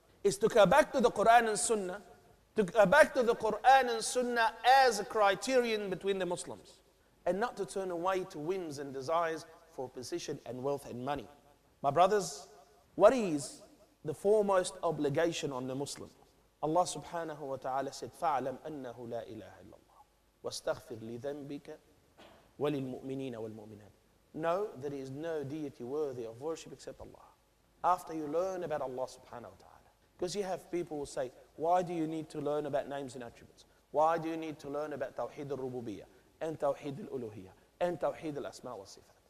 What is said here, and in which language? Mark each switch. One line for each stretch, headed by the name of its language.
English: It's to go back to the Quran and Sunnah, to go back to the Quran and Sunnah as a criterion between the Muslims, and not to turn away to whims and desires for position and wealth and money. My brothers, what is the foremost obligation on the Muslim? Allah subhanahu wa ta'ala said,
Arabic: فَعْلَمْ أَنَّهُ لَا إِلَهَ إِلَّا وَاسْتَغْفِرْ لِذَنْبِكَ وَلِلْمُؤْمِنِينَ وَالْمُؤْمِنَاتِ.
English: No, there is no deity worthy of worship except Allah. After you learn about Allah subhanahu wa ta'ala. Because you have people who say, why do you need to learn about names and attributes? Why do you need to learn about Tawheed al-Rububiyyah and Tawheed al-Uluhiyyah and Tawheed al-Asma wa-Sifat?